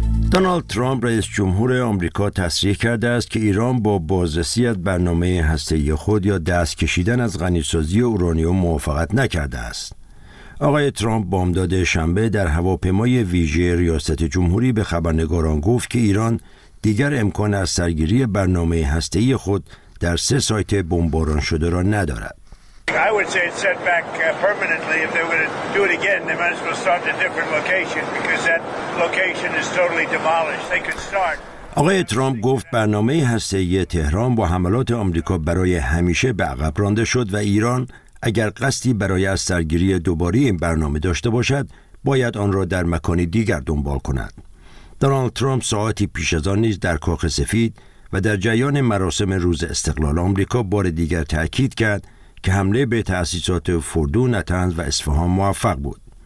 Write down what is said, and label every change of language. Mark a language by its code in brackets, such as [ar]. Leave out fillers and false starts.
[fa] دونالد ترامپ رئیس جمهور آمریکا تصریح کرده است که ایران با بازرسی از برنامه هسته‌ای خود یا دست کشیدن از غنی‌سازی اورانیوم موافقت نکرده است. آقای ترامپ بامداد شنبه در هواپیمای ویژه ریاست جمهوری به خبرنگاران گفت که ایران دیگر امکان از سرگیری برنامه هسته‌ای خود در 3 سایت بمباران شده را ندارد. [en] I would say it's set back permanently. If they were to do it again, they might as well start at a different location because that location is totally demolished. They could start. [fa] آقای ترامپ گفت برنامه هسته‌ای تهران با حملات آمریکا برای همیشه به عقب رانده شد و ایران اگر قصدی برای از سرگیری دوباره این برنامه داشته باشد، باید آن را در مکانی دیگر دنبال کند. دونالد ترامپ ساعتی پیش از آن نیز در کاخ سفید و در جریان مراسم روز استقلال آمریکا بار دیگر تأکید کرد که حمله به تأسیسات فردو، نطنز و اصفهان موفق بود.